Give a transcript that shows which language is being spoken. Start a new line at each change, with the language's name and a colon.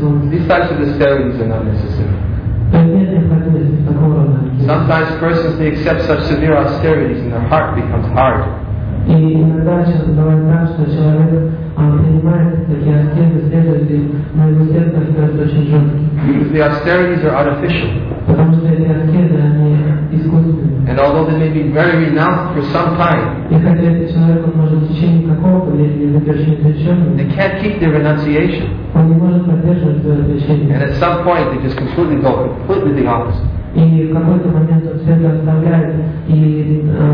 English: These types of austerities are not necessary. Sometimes persons may accept such severe austerities and their heart becomes hard.
Russian: И иногда часто бывает так, что человек принимает такие аскезы, следует им, но его сердце становится очень жестким.
English: Because the austerities are artificial.
Russian: Потому что эти аскезы, они искусственные.
English: And although they may be very renounced for some time,
Russian: и хотя этот человек может в течение какого-то времени задержать отречение,
English: they can't keep their renunciation.
Russian: Он не может поддерживать свое отречение.
English: And at some point they just completely go completely the opposite.
Russian: И в какой-то момент он все это оставляет и